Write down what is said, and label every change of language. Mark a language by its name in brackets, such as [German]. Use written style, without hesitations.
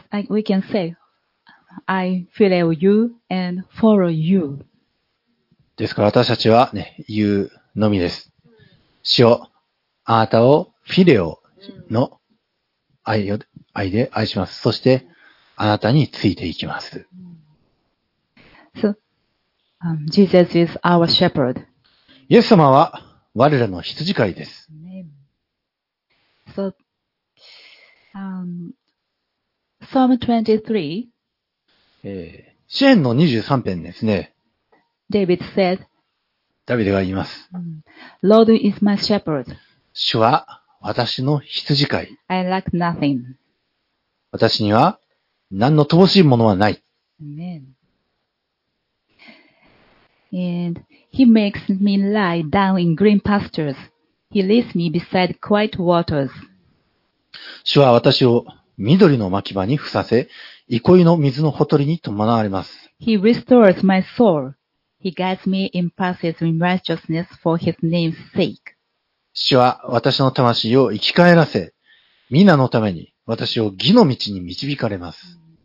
[English] We can say, I follow you and follow you. [Japanese] ですから私たちはね、言うのみです。主よ、あなたをフィレオの愛で愛します。そしてあなたについていきます。 [English] So, Jesus is our shepherd. [Japanese] イエス様は我らの羊飼いです。 [English] So, Psalm 23. [Japanese] 詩篇の23篇ですね。 [English] David said, [Japanese] ダビデが言います。 [English] Lord is my shepherd. [Japanese] 主は私の羊飼い。 [English] I lack nothing. [Japanese] 私には何の乏しいものはない。 [English] Amen. And he makes me lie down in green pastures. He leads me beside quiet waters. [Japanese] 主は私を緑の牧場に伏させ、憩いの水のほとりに伴われます。 [English] He restores my soul. He guides me in paths of righteousness for his name's sake. [Japanese] 主は私の魂を生き返らせ、皆のために私を義の道に導かれます。